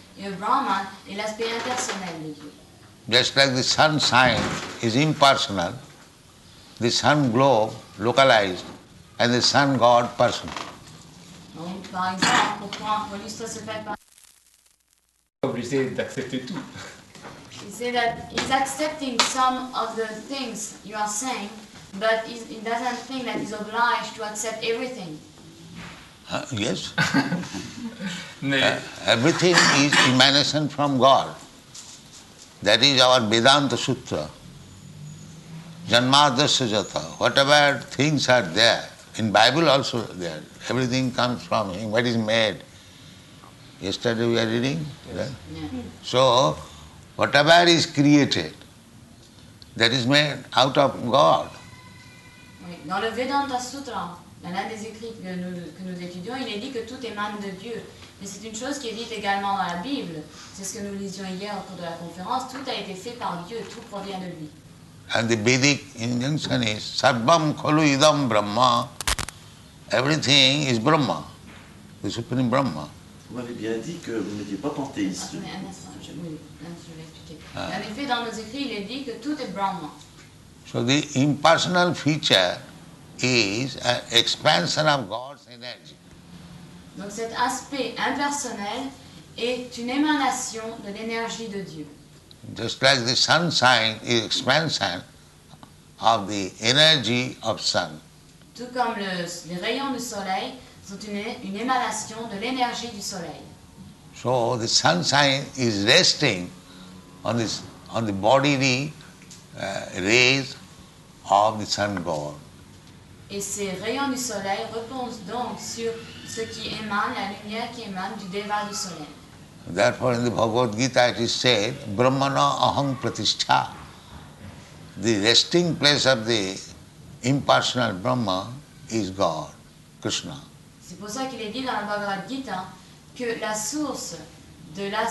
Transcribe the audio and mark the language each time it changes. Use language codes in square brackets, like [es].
[fr] Et le Brahman est l'aspect impersonnel de Dieu. [en] Just like the sun sign is impersonal, the sun globe localized, and the sun god personal. [fr] Donc, par exemple, pourquoi l'histoire se fait par... obligé d'accepter tout. [en] He said that he's accepting some of the things you are saying, but he doesn't think that he's obliged to accept everything. Yes. Everything is emanation from God. That is our Vedanta Sutra. [sa] Janmadrasya Jatha. [en] Whatever things are there, in Bible also there, everything comes from Him. What is made? Yesterday we are reading, right? Yeah. So, whatever is created, that is made out of God. [fr] Dans le Vedanta Sutra, dans l'un des écrits que nous étudions, il est dit que tout émane de Dieu. Mais c'est une chose qui est dite également dans la Bible. C'est ce que nous lisions hier au cours de la conférence. Tout a été fait par Dieu, tout provient de lui. [en] And the Vedic injunction is [sa] Sarvam Khalu Idam Brahma. [en] Everything is Brahma, the Supreme Brahma. [fr] Vous m'avez bien dit que vous n'étiez pas panthéiste. Ah, mais un instant, je vais expliquer. En effet, dans nos écrits, il est dit que tout est Brahma. [en] So the impersonal feature is an expansion of God's energy. [fr] Donc cet aspect impersonnel est une émanation de l'énergie de Dieu. [en] Just like the sun sign is expansion of the energy of sun. [fr] Tout comme les rayons du soleil sont une émanation de l'énergie du soleil. [en] So the sun sign is resting on the bodily rays of the sun god. [fr] Et ces rayons du soleil reposent donc sur ce qui émane, la lumière qui émane du Deva du soleil. [en] Therefore, in the Bhagavad Gita, it is said, [sa] Brahmana Aham Pratishtha. [en] The resting place of the impersonal Brahma is God, Krishna. [fr] C'est pour ça qu'il est dit dans la Bhagavad Gita que la source de l'aspect